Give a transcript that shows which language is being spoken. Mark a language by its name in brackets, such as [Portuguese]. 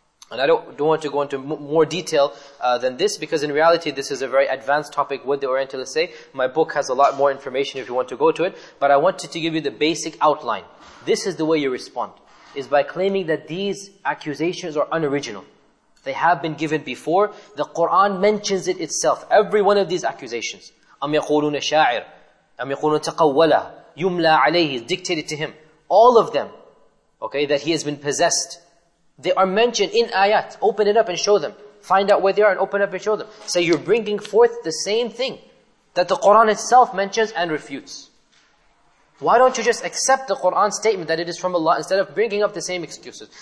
[English] And I don't want to go into more detail than this, because in reality this is a very advanced topic, what the Orientalists say. My book has a lot more information if you want to go to it. But I wanted to give you the basic outline. This is the way you respond, is by claiming that these accusations are unoriginal. They have been given before. The Quran mentions it itself. Every one of these accusations. [Arabic] أَمْ يَقُولُونَ شَاعِرٌ أَمْ يَقُولُونَ تَقَوَّلَهُ يُمْلَى عَلَيْهِ [English] dictated to him. All of them, okay, that he has been possessed. They are mentioned in ayat. Open it up and show them. Find out where they are and open up and show them. So you're bringing forth the same thing that the Quran itself mentions and refutes. Why don't you just accept the Quran statement that it is from Allah instead of bringing up the same excuses?